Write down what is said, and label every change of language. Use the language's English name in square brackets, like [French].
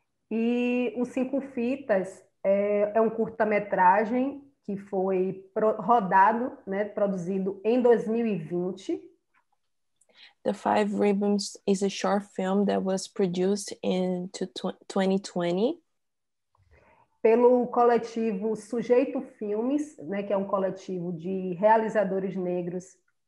[Portuguese] E o Cinco Fitas é um curta-metragem que foi rodado, né, produzido em 2020. [English] The Five Ribbons is a short film that was produced in 2020. [Portuguese] Pelo coletivo Sujeito Filmes, né, que é um coletivo de realizadores negros